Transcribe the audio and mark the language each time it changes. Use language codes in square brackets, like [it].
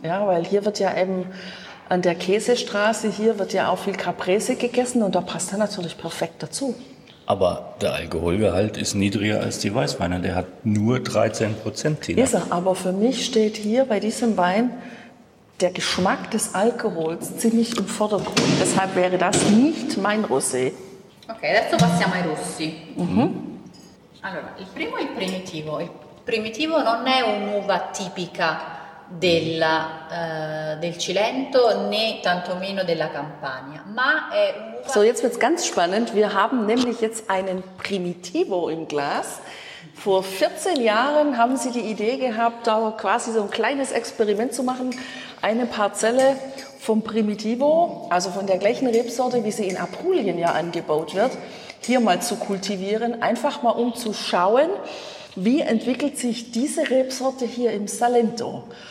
[de] Ja, weil hier wird ja eben an der Käsestraße, hier wird ja auch viel Caprese gegessen und da passt er natürlich perfekt dazu. Aber der Alkoholgehalt ist niedriger als die Weißweine. Der hat nur 13%. Ist er. Aber für mich steht hier bei diesem Wein der Geschmack des Alkohols ziemlich im Vordergrund. Deshalb wäre das nicht mein Rosé. [it] Okay, adesso passiamo ai rossi. Allora, il primo è il primitivo. Il primitivo non è un'uva tipica del Cilento, né tantomeno della Campania, ma è un'uva. [de] So, jetzt wird's ganz spannend. Wir haben nämlich jetzt einen Primitivo im Glas. Vor 14 Jahren haben sie die Idee gehabt, da quasi so ein kleines Experiment zu machen. Eine Parzelle vom Primitivo, also von der gleichen Rebsorte, wie sie in Apulien ja angebaut wird, hier mal zu kultivieren, einfach mal um zu schauen, wie entwickelt sich diese Rebsorte hier im Salento.